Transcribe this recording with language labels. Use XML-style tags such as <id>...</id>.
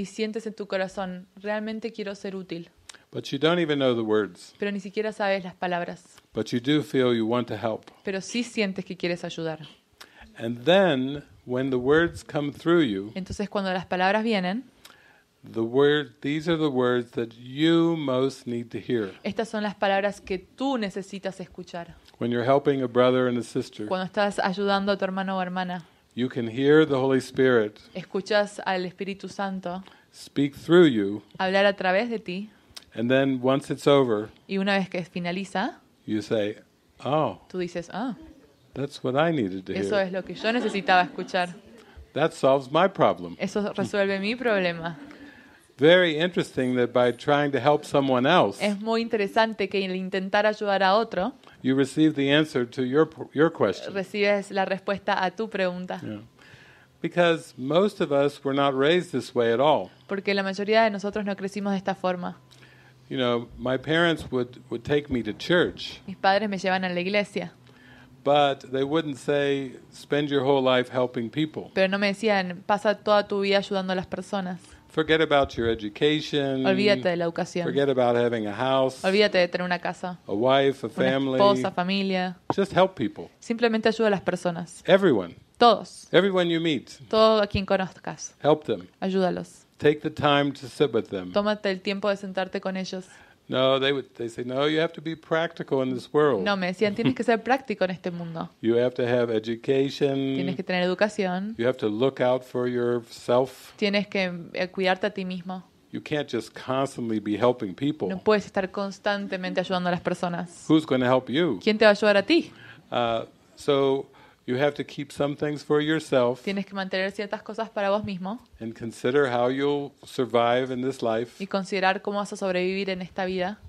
<es>Y sientes en tu corazón, realmente quiero ser útil.</es> <en>But you don't even know the words.</en> <es>Pero ni siquiera sabes las palabras.</es> <en>But you do feel you want to help.</en> <es>Pero sí sientes que quieres ayudar.</es> <en>And then when the words come through you,</en> <es>entonces cuando las palabras vienen,</es> <en>these are the words that you most need to hear.</en> <es>Estas son las palabras que tú necesitas escuchar.</es> <en>When you're helping a brother and a sister,</en> <es>cuando estás ayudando a tu hermano o hermana,</es> <en>you can hear the Holy Spirit.</en> <es>Escuchas al Espíritu Santo.</es> <en>Speak through you.</en> <es>Hablar a través de ti.</es> <en>And then once it's over,</en> <es>y una vez que finaliza,</es> <en>you say, oh.</en> <es>Tú dices, ah. Oh,</es> <en>that's what I needed to hear.</en> <es>Eso es lo que yo necesitaba escuchar.</es> <en>That solves my problem.</en> <es>Eso resuelve mi problema.</es> <en>Very interesting that by trying to help someone else,</en> <es>es muy interesante que al intentar ayudar a otro,</es> <en>you receive the answer to your question.</en> <es>Recibes la respuesta a tu pregunta.</es> <en>Yeah. Because most of us were not raised this way at all.</en> <es>Porque la mayoría de nosotros no crecimos de esta forma.</es> <en>You know, my parents would take me to church.</en> <es>Mis padres me llevan a la iglesia.</es> <en>But they wouldn't say, spend your whole life helping people.</en> <es>Pero no me decían, pasa toda tu vida ayudando a las personas.</es> <en>Forget about your education.</en> <es>Olvídate de la educación.</es> <en>Forget about having a house.</en> <es>Olvídate de tener una casa.</es> <en>A wife, a family.</en> <es>Una esposa, familia.</es> <en>Just help people.</en> <es>Simplemente ayuda a las personas.</es> <en>Everyone.</en> <es>Todos.</es> <en>Everyone you meet.</en> <es>Todo a quien conozcas.</es> <en>Help them.</en> <es>Ayúdalos.</es> <en>Take the time to sit with them.</en> <es>Tómate el tiempo de sentarte con ellos.</es> <en>No, they say, no, you have to be practical in this world.</en> <es>No, me decían, tienes que ser práctico en este mundo.</es> <en>You have to have education.</en> <es>Tienes que tener educación.</es> <en>You have to look out for yourself.</en> <es>Tienes que cuidarte a ti mismo.</es> <en>You can't just constantly be helping people.</en> <es>No puedes estar constantemente ayudando a las personas.</es> <en>Who's going to help you?</en> <es>¿Quién te va a ayudar a ti?</es> <en>So you have to keep some things for yourself.</en> <es>Tienes que mantener ciertas cosas para vos mismo.</es> <en>And consider how you'll survive in this life.</en> <es>Y considerar cómo vas a sobrevivir en esta vida.</es>